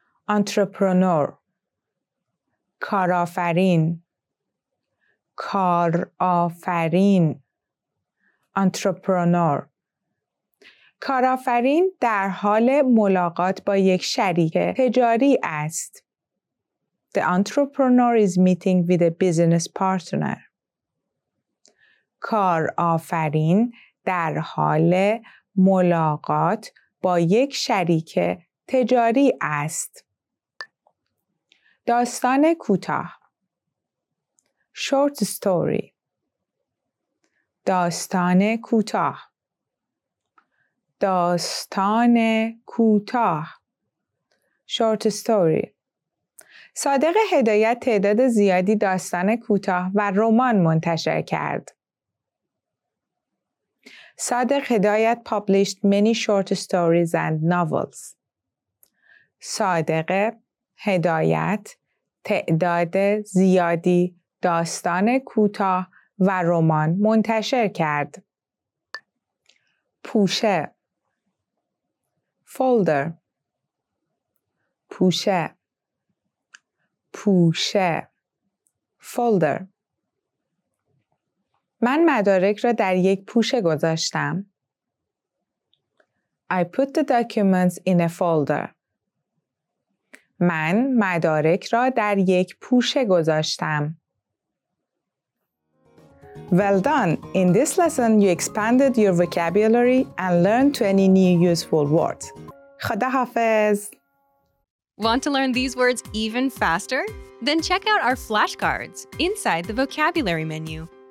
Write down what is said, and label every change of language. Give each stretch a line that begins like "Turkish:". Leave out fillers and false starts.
English: entrepreneur
Persian: کارآفرین کارآفرین
English: entrepreneur
Persian: کارآفرین در حال ملاقات با یک شریک تجاری است.
English: The entrepreneur is meeting with a business partner.
Persian: کارآفرین در حال ملاقات با یک شریک تجاری است. داستان کوتاه
English: short story
Persian: داستان کوتاه داستان کوتاه
English: short story
Persian: صادق هدایت تعداد زیادی داستان کوتاه و رمان منتشر کرد.
English: Sadek Hidayat published many short stories and novels.
Persian: Sadek Hidayat تعداد زیادی داستان کوتاه و رمان منتشر کرد. پوشه
English: folder
Persian: پوشه پوشه
English: folder
Persian: من مدارک را در یک پوشه گذاشتم.
English: I put the documents in a folder.
Persian: من مدارک را در یک پوشه گذاشتم.
English: Well done! In this lesson, you expanded your vocabulary and learned 20 new useful words.
Persian: خدا حافظ!
English: Want to learn these words even faster? Then check out our flashcards inside the vocabulary menu.